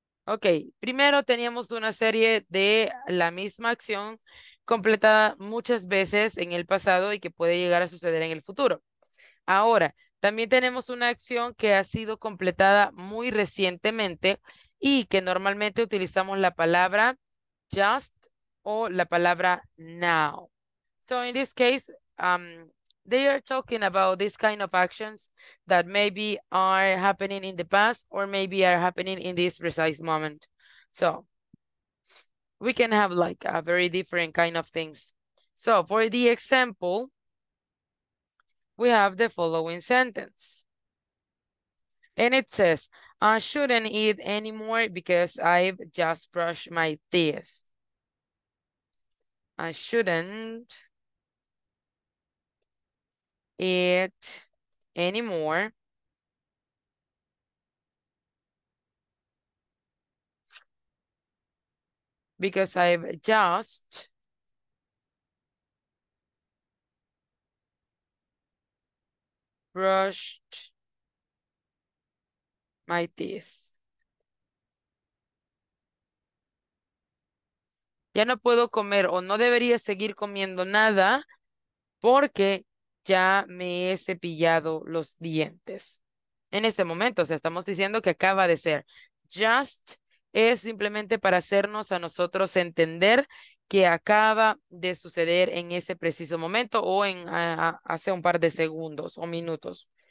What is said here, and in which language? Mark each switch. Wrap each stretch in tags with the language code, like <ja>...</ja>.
<es>Ok, primero teníamos una serie de la misma acción completada muchas veces en el pasado y que puede llegar a suceder en el futuro. Ahora, también tenemos una acción que ha sido completada muy recientemente y que normalmente utilizamos la palabra just o la palabra now.</es> <en>So in this case, they are talking about these kind of actions that maybe are happening in the past or maybe are happening in this precise moment. So we can have like a very different kind of things. So for the example, we have the following sentence. And it says, I shouldn't eat anymore because I've just brushed my teeth. I shouldn't eat anymore because I've just brushed my teeth.</en> <es>Ya no puedo comer o no debería seguir comiendo nada porque ya me he cepillado los dientes. En este momento, o sea, estamos diciendo que acaba de ser. Just es simplemente para hacernos a nosotros entender que acaba de suceder en ese preciso momento o en hace un par de segundos o minutos.</es>